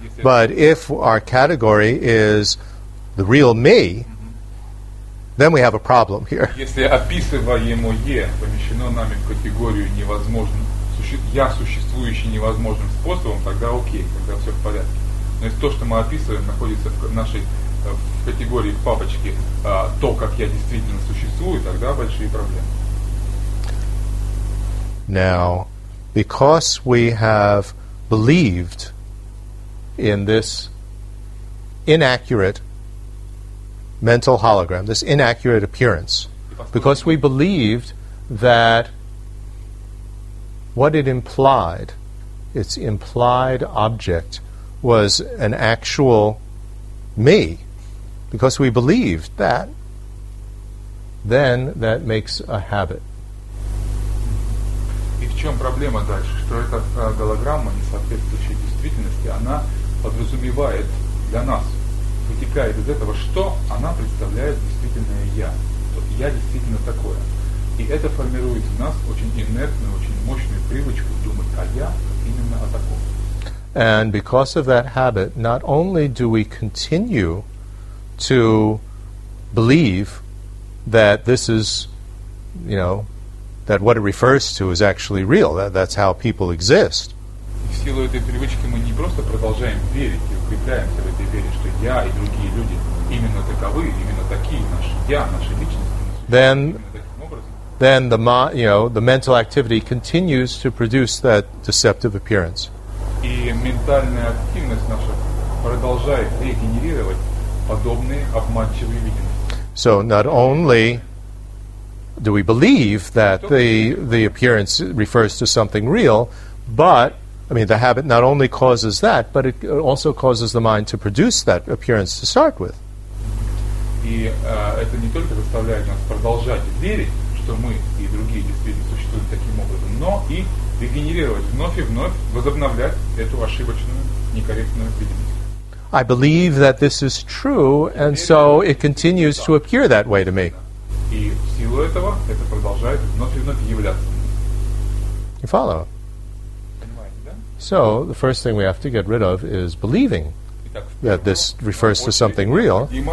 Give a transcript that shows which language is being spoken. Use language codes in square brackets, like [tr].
[en] But if our category is the real me, then we have a problem here. [ru] Если описываемое помещено нами в категорию невозможно, я существующий невозможным способом, тогда окей, тогда все в порядке. Но если то, что мы описываем, находится в нашей в категории в папочке то, как я действительно существую, тогда большие проблемы. [en] Now, because we have believed in this inaccurate mental hologram, this inaccurate appearance, because we believed that what it implied, its implied object, was an actual me, because we believed that, then that makes a habit. [ru] И в чем проблема дальше? Что эта голограмма, не соответствующая действительности, она подразумевает для нас, вытекает из этого, что она представляет действительное я. То я действительно такое. И это формирует в нас очень инертную, очень мощную привычку думать о я именно о таком. [en] And because of that habit, not only do we continue to believe that this is, you know, that what it refers to is actually real, that that's how people exist. [ru] И в силу этой привычки мы не просто продолжаем верить и укрепляемся в этой вере, что я и другие люди именно таковы, именно такие наши я, наши личности. [en] Then the the mental activity continues to produce that deceptive appearance. [ru] И ментальная активность наша продолжает регенерировать подобные обманчивые видимости. [en] So not only do we believe that the appearance refers to something real, but I mean, the habit not only causes that, but it also causes the mind to produce that appearance to start with. [ru] И это не только заставляет нас продолжать верить, что мы и другие действительно существуют таким образом, но и регенерировать вновь и вновь, возобновлять эту ошибочную, некорректную видимость. [en] I believe that this is true, and so it continues to appear that way to me. [ru] И в силу этого это продолжает вновь и вновь являться. [en] You follow? So, the first thing we have to get rid of is believing that this refers to something real.